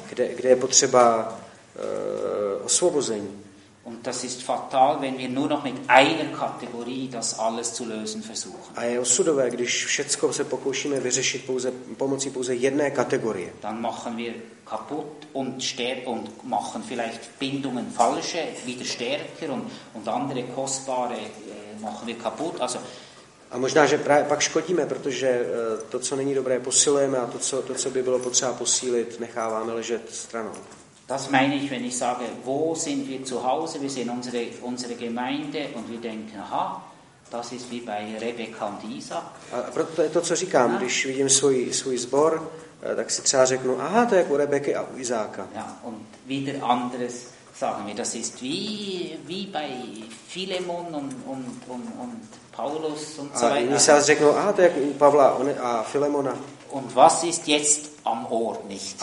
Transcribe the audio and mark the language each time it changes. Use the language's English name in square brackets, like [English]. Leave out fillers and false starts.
[Czech] Kde je potřeba osvobození. [German] Und das ist fatal, wenn wir nur noch mit einer Kategorie das alles zu lösen versuchen. [Czech] A je osudové, když všechno se pokoušíme vyřešit pomocí jedné kategorie. [German] Dann machen wir kaputt und stärken und machen vielleicht Bindungen falsche wieder stärker und andere kostbare machen wir kaputt. Also [Czech] a možná, že právě pak škodíme, protože to, co není dobré, posilujeme a to, co by bylo potřeba posílit, necháváme ležet stranou. [German] Das meine ich, wenn ich sage, wo sind wir zu Hause? Wir sehen unsere Gemeinde und wir denken, aha, das ist wie bei Rebecca und Isaac. [Czech] A proto je to, co říkám, ja. Když vidím svůj sbor, tak si třeba řeknu, aha, to je u Rebeky a u Izáka. [German] Ja, und wieder anderes sagen wir, das ist wie bei Philemon und Paulus und so weiter. [Czech] A jiný sás řeknu, aha, to je u Pavla a Filemona. [German] Und was ist jetzt am Ort nicht?